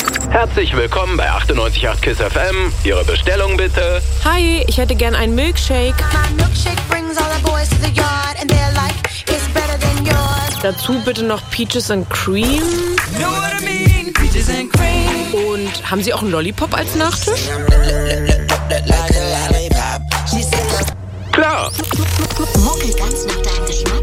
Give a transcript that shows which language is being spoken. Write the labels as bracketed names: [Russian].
[German] Herzlich willkommen bei 98.8 KISS FM. Ihre Bestellung bitte. Hi, ich hätte gern einen Milkshake. [English] My milkshake brings all the boys to the yard and they're like, it's better than yours. [German] Dazu bitte noch Peaches and Cream. [English] Know what I mean? Peaches and Cream. [German] Und haben Sie auch einen Lollipop als Nachtisch? [English] Like a lollipop. [German] Klar. Muckel ganz nach deinem Geschmack.